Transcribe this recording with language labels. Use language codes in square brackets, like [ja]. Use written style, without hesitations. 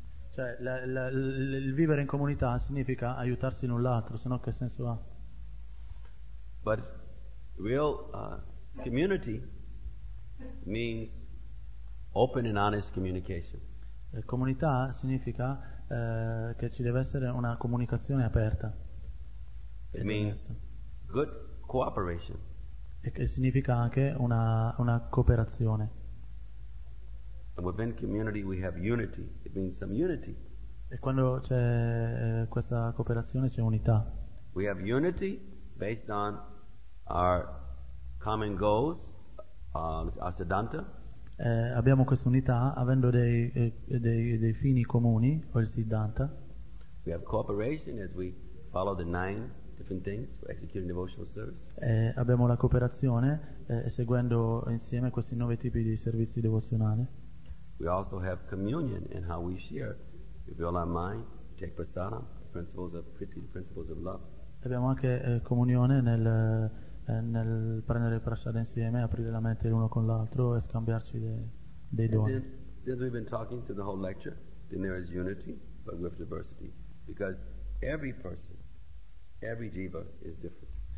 [it] Cioè, il vivere in comunità significa aiutarsi l'un l'altro, se no che senso ha? [en] But real community means open and honest communication. [it] Comunità significa che ci deve essere una comunicazione aperta. [en] It means good cooperation. [it] E che significa anche una cooperazione. [en] And within community we have unity. It means some unity. [it] E quando c'è questa cooperazione c'è unità. [en] We have unity based on our common goals, our Siddhanta. [it] Abbiamo questa unità avendo dei fini comuni o il Siddhanta. [en] We have cooperation as we follow the 9 different things for executing devotional service. [it] Abbiamo la cooperazione seguendo insieme questi 9 tipi di servizi devozionali. [en] We also have communion in how we share. Reveal our mind, take prasadam, principles of pretty, principles of love. [it] Abbiamo anche comunione nel prendere prasada insieme, aprire la mente l'uno con l'altro e scambiarci dei doni. [en] Then, as we've been talking through the whole lecture, then there is unity, but with diversity, because every person, every jiva is different.